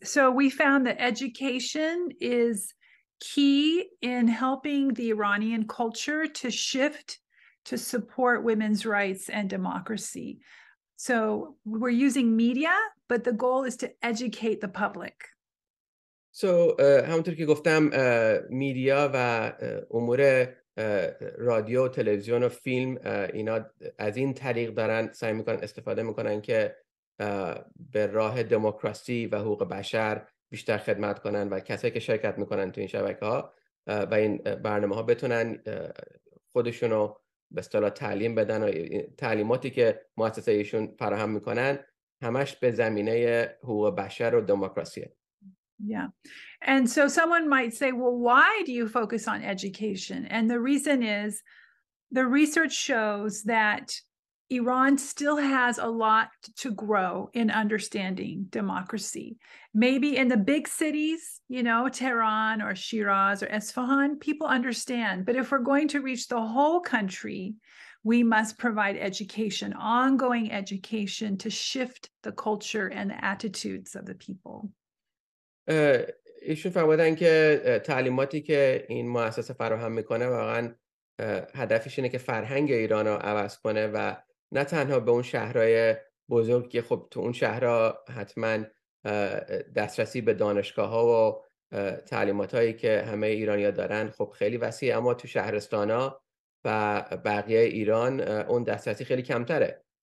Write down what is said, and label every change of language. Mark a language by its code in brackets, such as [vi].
[en] So we found that education is key in helping the Iranian culture to shift to support women's rights and democracy. So we're using media, but the goal is to educate the public. [fa] So, همونطور که گفتم میدیا و امور رادیو، تلویزیون و فیلم اینا از این طریق دارن سعی میکنن استفاده میکنن که به راه دموکراسی و حقوق بشر بیشتر خدمت کنن و کسایی که شرکت میکنن تو این شبکه ها و این برنامه ها بتونن خودشونو به اصطلاح تعلیم بدن و تعلیماتی که مؤسسه ایشون فراهم میکنن همش به زمینه حقوق بشر و دموکراسیه. [en] Yeah. And so someone might say, well, why do you focus on education? And the reason is the research shows that Iran still has a lot to grow in understanding democracy. Maybe in the big cities, you know, Tehran or Shiraz or Isfahan, people understand. But if we're going to reach the whole country, we must provide education, ongoing education to shift the culture and the attitudes of the people. [fa] ایشون فرمودن که تعلیماتی که این مؤسسه فراهم میکنه واقعا هدفش اینه که فرهنگ ایران رو عوض کنه و نه تنها به اون شهرهای بزرگ که خب تو اون شهرها حتما دسترسی به دانشگاه ها و تعلیمات هایی که همه ایرانی ها دارن خب خیلی وسیع اما تو شهرستان ها و بقیه ایران اون دسترسی خیلی کمتره.